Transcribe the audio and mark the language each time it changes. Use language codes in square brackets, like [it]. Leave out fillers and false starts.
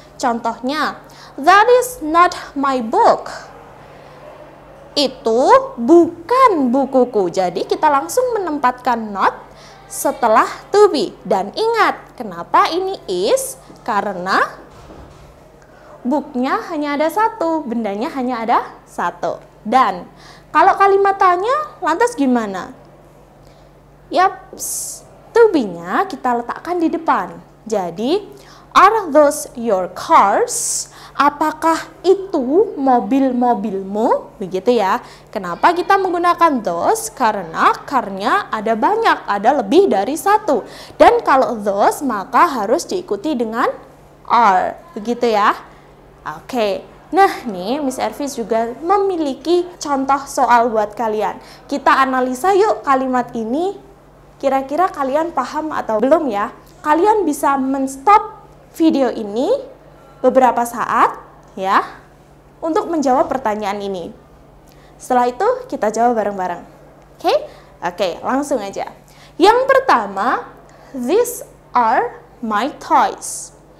[id] Contohnya, [en] that is not my book. [id] Itu bukan bukuku. Jadi kita langsung menempatkan not setelah to be. Dan ingat, kenapa ini is? Karena booknya hanya ada satu, bendanya hanya ada satu. Dan kalau kalimat tanya, lantas gimana? Yaps, to be-nya kita letakkan di depan. Jadi, [en] are those your cars? [id] Apakah itu mobil-mobilmu? Begitu ya. Kenapa kita menggunakan those? Karena car-nya ada banyak, ada lebih dari satu. Dan kalau those, maka harus diikuti dengan are. Begitu ya. Oke, nah nih Miss Ervis juga memiliki contoh soal buat kalian. Kita analisa yuk kalimat ini. Kira-kira kalian paham atau belum ya? Kalian bisa men-stop video ini, beberapa saat ya untuk menjawab pertanyaan ini. Setelah itu kita jawab bareng-bareng. Oke? Oke, langsung aja. Yang pertama, [en] these are my toys.